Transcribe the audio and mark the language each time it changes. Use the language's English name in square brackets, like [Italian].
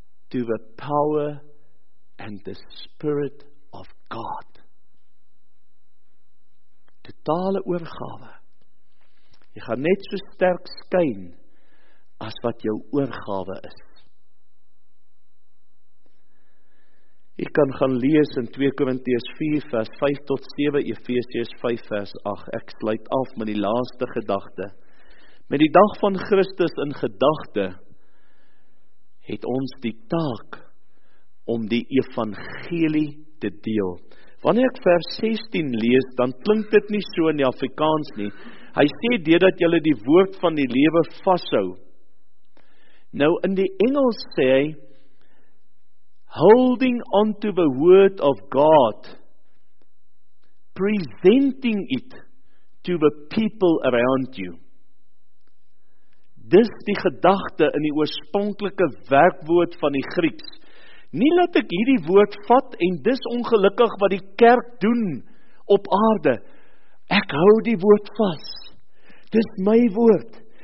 [English] To the power and the spirit of God. [Afrikaans] Totale oorgawe. Jy gaan net so sterk skyn as wat jou oorgawe is. Ek kan gaan lees in 2 Korintiërs 4 vers 5 tot 7, Efesiërs 5 vers 8. Ek sluit af met die laaste gedagte. Met die dag van Christus in gedagte het ons die taak om die evangelie te deel. Wanneer ek vers 16 lees, dan klink dit nie so in die Afrikaans nie. Hy sê, deurdat julle die woord van die lewe vashou. Nou in die Engels sê hy, [English] holding on to the word of God, presenting it to the people around you. [Afrikaans] Dis die gedagte in die oorspronklike werkwoord van die Grieks. Nie laat ek hierdie woord vat en dis ongelukkig wat die kerk doen op aarde. Ek hou die woord vas. Dis my woord.